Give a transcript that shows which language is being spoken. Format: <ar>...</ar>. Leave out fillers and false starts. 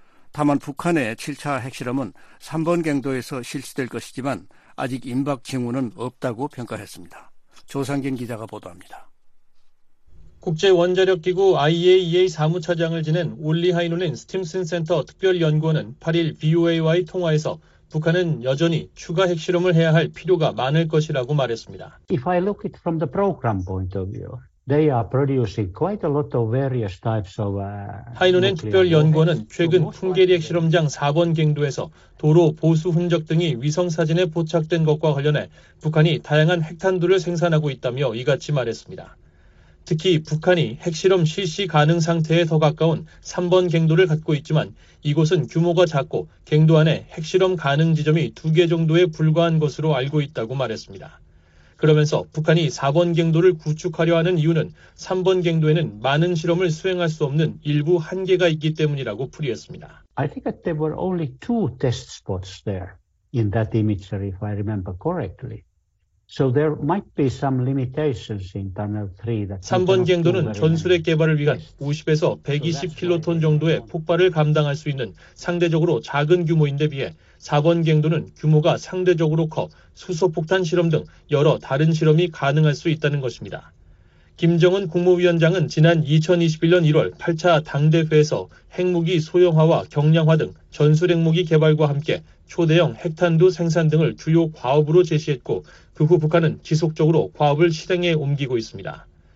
<ko>다만 북한의 7차 핵실험은 3번 갱도에서 실시될 것이지만 아직 임박 징후는 없다고 평가했습니다. 조상진 기자가 보도합니다. 국제원자력기구 IAEA 사무차장을 지낸 올리하이노린 스팀슨 센터 특별연구원은 8일 VOA와의 통화에서 북한은 여전히 추가 핵실험을 해야 할 필요가 많을 것이라고 말했습니다.</ko> <en>If I look it from the program point of view, They are producing quite a lot of various types of</en> <ko>하이논의 특별연구원은 최근 풍계리핵 실험장 4번 갱도에서 도로 보수 흔적 등이 위성사진에 포착된 것과 관련해 북한이 다양한 핵탄두를 생산하고 있다며 이같이 말했습니다. 특히 북한이 핵실험 실시 가능 상태에 더 가까운 3번 갱도를 갖고 있지만 이곳은 규모가 작고 갱도 안에 핵실험 가능 지점이 2개 정도에 불과한 것으로 알고 있다고 말했습니다. 그러면서 북한이 4번 갱도를 구축하려 하는 이유는 3번 갱도에는 많은 실험을 수행할 수 없는 일부 한계가 있기 때문이라고 풀이했습니다.</ko> <en>I think that there were only two test spots there in that imagery, if I remember correctly. So there might be some limitations in Tunnel 3 that</en> <ko>3번 갱도는 전술핵 개발을 위한 50에서 120킬로톤 정도의 폭발을 감당할 수 있는 상대적으로 작은 규모인데 비해 4번 갱도는 규모가 상대적으로 커 수소폭탄 실험 등 여러 다른 실험이 가능할 수 있다는 것입니다. 김정은 국무위원장은 지난 2021년 1월 8차 당대회에서 핵무기 소형화와 경량화 등 전술핵무기 개발과 함께 초대형 핵탄두 생산 등을 주요 과업으로 제시했고 그 후 북한은 지속적으로 과업을 실행에 옮기고 있습니다.</ko>